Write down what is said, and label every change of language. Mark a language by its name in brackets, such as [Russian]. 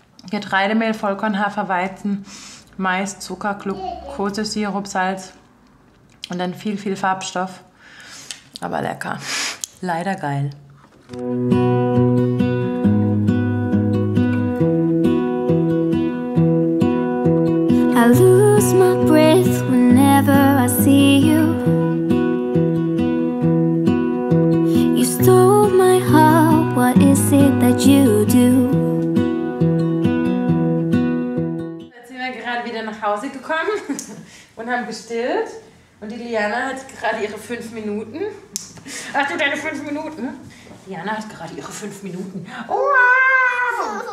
[German] Getreidemehl, Vollkorn, Haferweizen, Mais, Zucker, Glukosesirup, Salz. Und dann viel, viel Farbstoff. Aber lecker. Leider geil. [English] I lose my breath whenever I see you. You stole my heart, what is it that you do? [German] Jetzt sind wir gerade wieder nach Hause gekommen und haben gestillt. Und die Liana hat gerade ihre 5 Minuten. Ach du, deine 5 Minuten? Liana hat gerade ihre 5 Minuten. Wow!